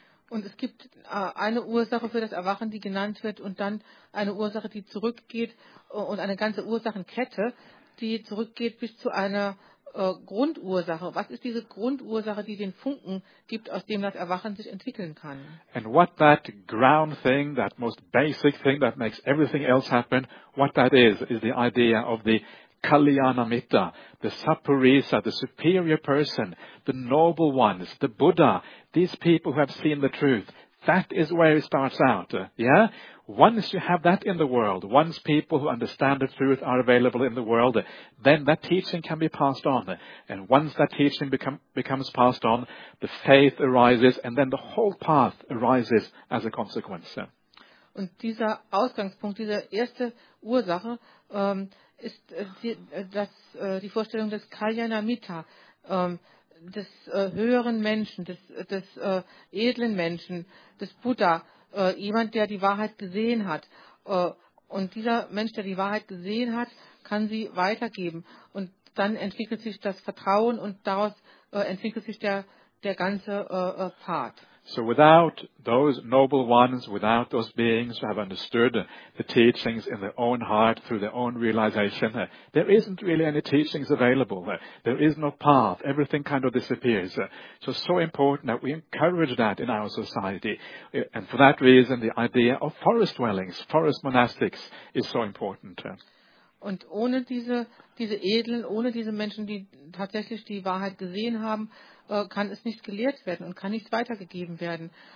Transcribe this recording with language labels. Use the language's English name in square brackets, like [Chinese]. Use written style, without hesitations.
[German] Und es gibt eine Ursache für das Erwachen, die genannt wird, und dann eine Ursache, die zurückgeht, und eine ganze Ursachenkette, die zurückgeht bis zu einer Grundursache. Was ist diese Grundursache, die den Funken gibt, aus dem das Erwachen sich entwickeln kann? [English] And what that ground thing, that most basic thing that makes everything else happen, what that is the idea of the Kalyanamitta, the Saparisa, the superior person, the noble ones, the Buddha, these people who have seen the truth. That is where it starts out. Yeah? Once you have that in the world, once people who understand the truth are available in the world, then that teaching can be passed on. And once that teaching becomes passed on, the faith arises, and then the whole path arises as a consequence. [German] Und dieser Ausgangspunkt, diese erste Ursache, ist die Vorstellung des Kalyanamitta, des höheren Menschen, des edlen Menschen, des Buddha, jemand, der die Wahrheit gesehen hat. Und dieser Mensch, der die Wahrheit gesehen hat, kann sie weitergeben. Und dann entwickelt sich das Vertrauen und daraus entwickelt sich der ganze Pfad. [English] So without those noble ones, without those beings who have understood the teachings in their own heart through their own realization, there isn't really any teachings available. There is no path. Everything kind of disappears. So important that we encourage that in our society. And for that reason, the idea of forest dwellings, forest monastics, is so important. [German] Und ohne diese Edlen, ohne diese Menschen, die tatsächlich die Wahrheit gesehen haben, kann es nicht gelehrt werden und kann nicht weitergegeben werden.